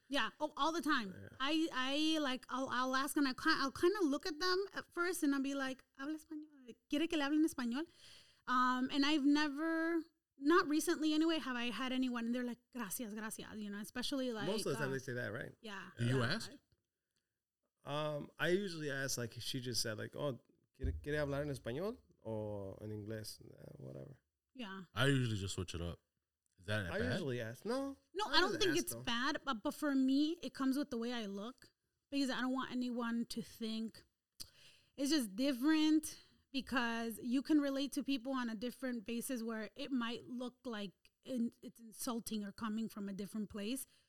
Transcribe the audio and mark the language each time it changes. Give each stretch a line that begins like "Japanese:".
English: Yeah. Oh, all the time. Yeah. I'll ask and I'll kind of look at them at first and I'll be like,
Spanish: ¿Habla español? ¿Quiere que le hable en español?
English: And I've never... Not recently, anyway, have I had anyone, they're like,
Spanish: gracias, gracias,
English: you know, especially like... Most of the time they say that, right? Yeah. Do you ask? I usually ask, like, she just said, like, oh,
Spanish: ¿quiere hablar en español
English: or
Spanish: en inglés?
English: Whatever. Yeah. I usually just switch it up. Is that bad? I usually ask. No. No, I don't think it's bad, but for me, it comes with the way I look, because I don't want anyone to think it's just different... Because you can relate to people on a different basis where it might look like it's insulting or coming from a different place.